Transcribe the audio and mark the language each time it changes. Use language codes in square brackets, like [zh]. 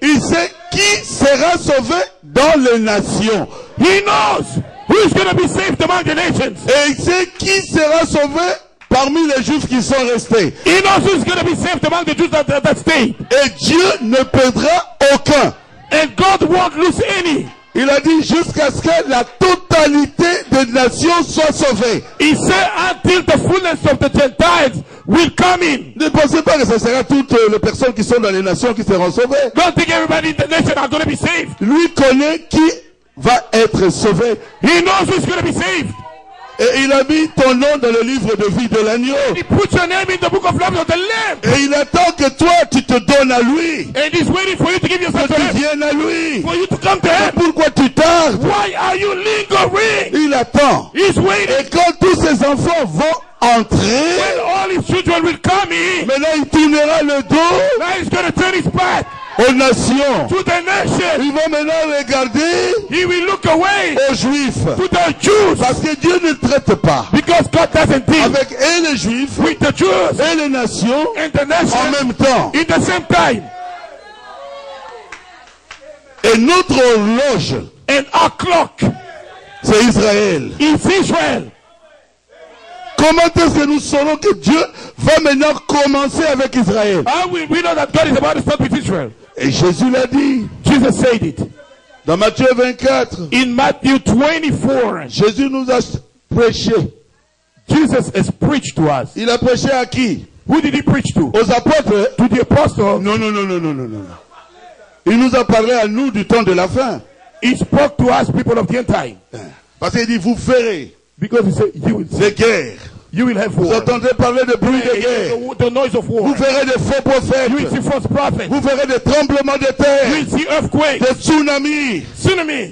[fr] Il sait qui sera sauvé dans les nations. [en] He knows who is going to be saved among the nations. [fr] Et il sait qui sera sauvé parmi les Juifs qui sont restés. [en] He knows who is going to be saved among the Jews that stay. [fr] Et Dieu ne perdra aucun. [en] And God won't lose any. [fr] Il a dit jusqu'à ce que la totalité des nations soit sauvée. [en] He said until the fullness of the Gentiles will come in. [fr] Ne pensez pas que ce sera toutes les personnes qui sont dans les nations qui seront sauvées. [en] Don't think everybody in the nation are going to be saved. [fr] Lui connaît qui va être sauvé. [en] He knows who's going to be saved. [fr] Et il a mis ton nom dans le livre de vie de l'agneau. [en] He put your name in the book of life of the Lamb. [fr] Et il attend que toi tu te donnes à lui. [en] And he's waiting for you to give yourself to him. [fr] Que tu viennes à lui. [en] For you to come to him. [fr] Mais pourquoi tu tardes? [en] Why are you lingering? [fr] Il attend. [en] He's waiting. [fr] Et quand tous ses enfants vont entrer, [en] when all his children will come in, [fr] maintenant il tournera le dos. [en] Now he's going to turn his back. [fr] Aux nations. [en] To the nations. [fr] Il va maintenant regarder. [en] He will look away. [fr] Aux Juifs. [en] To the Jews. [fr] Parce que Dieu ne traite pas. [en] Because God doesn't deal. [fr] Avec et les Juifs. [en] With the Jews. [fr] Et les nations. [en] And the nations. [fr] En même temps. [en] In the same time. [fr] Et notre horloge. [en] And our clock. [fr] C'est Israël. [en] It's Israel. [fr] Comment est-ce que nous saurons que Dieu va maintenant commencer avec Israël? [en] How we know that God is about to start with Israel? [fr] Et Jésus l'a dit. [en] Jesus said it. [fr] Dans Matthieu 24. [en] In Matthew 24. [fr] Jésus nous a prêché. [en] Jesus has preached to us. [fr] Il a prêché à qui? [en] Who did he preach to? [fr] Aux apôtres. [en] To the apostles. [fr] Non. Il nous a parlé à nous du temps de la fin. [en] He spoke to us, people of the end time. [fr] Parce qu'il dit, vous ferez. [en] Because he said you will see guerre. You will have war. [fr] Vous entendrez parler de bruit de guerre. [en] The noise of war. [fr] Vous verrez des faux prophètes. [en] You will see false prophets. [fr] Vous verrez des tremblements de terre. [en] You will see earthquakes. [fr] Des tsunamis. [en] Tsunami.